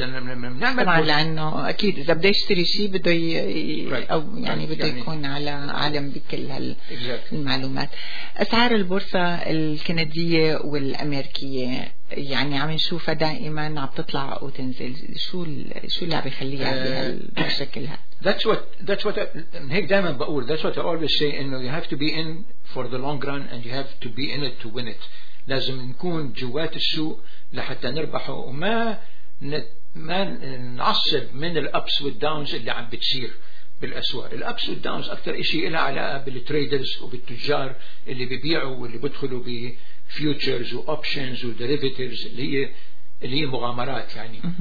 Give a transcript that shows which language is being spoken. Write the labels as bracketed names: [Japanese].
[Arabic] طبعا، لأنه أكيد إذا بدأ يشتري شيء بده أو يعني بده يكون على عالم بكل هالمعلومات. أسعار البورصة الكندية والأمريكية يعني عم نشوفها دائما عم تطلع وتنزل، شو اللي عم يخليها بهالشكل هذا؟ [English] That's what [Arabic] هيك دائما بقول. [English] That's what I always say, إنه you have to be in for the long run and you have to be in it to win it. [Arabic] لازم نكون جوات السوق لحتى نربحه، وما ما نعصب من الأبس والداونز اللي عم بتصير بالأسواق. الأبس والداونز أكتر إشي إلها علاقة بالتريدرز وبالتجار اللي بيبيعوا واللي بدخلوا بفيوتشرز وأوبشنز ودريفيتيفز اللي هي مغامرات يعني.